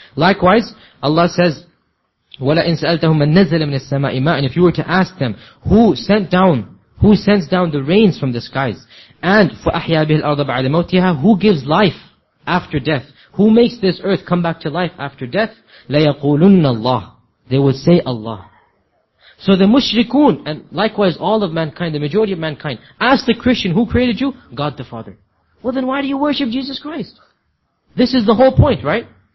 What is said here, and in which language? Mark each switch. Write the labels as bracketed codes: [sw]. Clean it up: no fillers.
[en] Likewise, Allah says, [ar] وَلَا إِن سَأَلْتَهُمْ مَن نَزَّلَ مِنَ السَّمَاءِ مَاءً. [en] If you were to ask them, who sends down the rains from the skies? And [ar] فَأَحْيَا بِهِ الْأَرْضَ بَعْدَ مَوْتِهَا. [en] Who gives life after death? Who makes this earth come back to life after death? [ar] لَيَقُولُنَّ اللَّهِ. [en] They would say Allah. So the mushrikun, and likewise all of mankind, the majority of mankind, ask the Christian, who created you? God the Father. Well then why do you worship Jesus Christ? This is the whole point, right?